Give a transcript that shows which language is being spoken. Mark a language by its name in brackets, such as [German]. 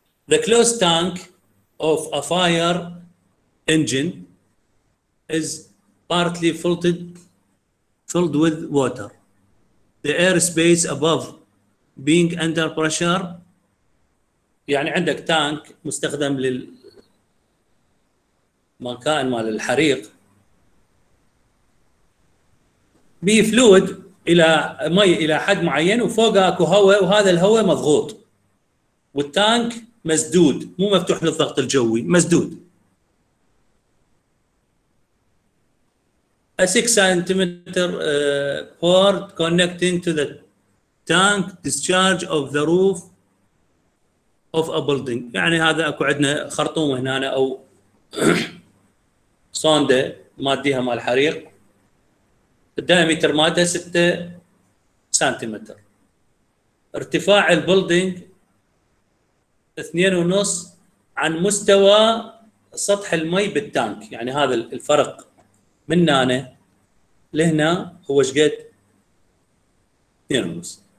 [English] The closed tank of a fire engine is partly filled with water. The air space above being under pressure. [Arabic] يعني عندك تانك مستخدم للمكان مال الحريق. بي فلويد الى مي الى حد معين وفوقه اكو هواء وهذا الهواء مضغوط. والتانك مسدود مو مفتوح للضغط الجوي، مسدود. [English] A 6 centimeter cord connecting to the tank discharge of the roof of a building. [Arabic] يعني هذا اكو عندنا خرطوم هنا او صوندة ماديها مال الحريق. الدايمتر مادة 6 سنتيمتر. ارتفاع البولدينج 2.5 عن مستوى سطح المي بالتانك، يعني هذا الفرق من هنا لهنا هو شقد 2.5.